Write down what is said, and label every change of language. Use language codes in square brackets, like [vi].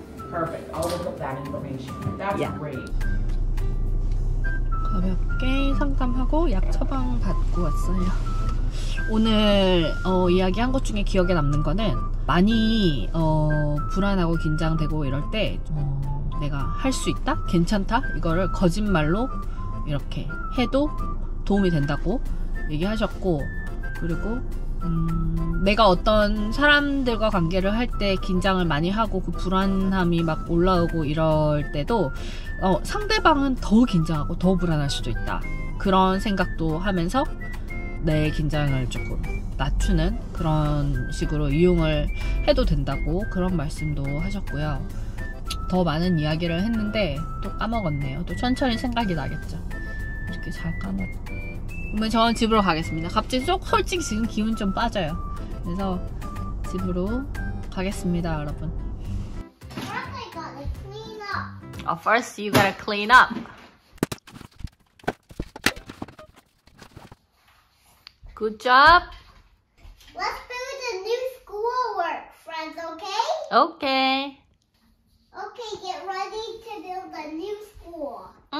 [en] Perfect. I'll look up that information. That's great. [ko] 가볍게. 상담하고 약 처방 받고 왔어요. 오늘 이야기한 것 중에 기억에 남는 거는 많이 불안하고 긴장되고 이럴 때 내가 할 수 있다? 괜찮다? 이거를 거짓말로 이렇게 해도 도움이 된다고 얘기하셨고, 그리고 내가 어떤 사람들과 관계를 할 때 긴장을 많이 하고 그 불안함이 막 올라오고 이럴 때도 상대방은 더 긴장하고 더 불안할 수도 있다, 그런 생각도 하면서 내 긴장을 조금 낮추는 그런 식으로 이용을 해도 된다고 그런 말씀도 하셨고요. 더 많은 이야기를 했는데 또 까먹었네요. 또 천천히 생각이 나겠죠. 이렇게 잘 까먹고 그러면 저는 집으로 가겠습니다. 갑자기 좀 솔직히 지금 기운 좀 빠져요. 그래서 집으로 가겠습니다, 여러분. [en] First, I gotta clean up. Oh, first, you gotta clean up. Good job. Let's build a new schoolwork, friends, okay? Okay. Okay, get ready to build a new school.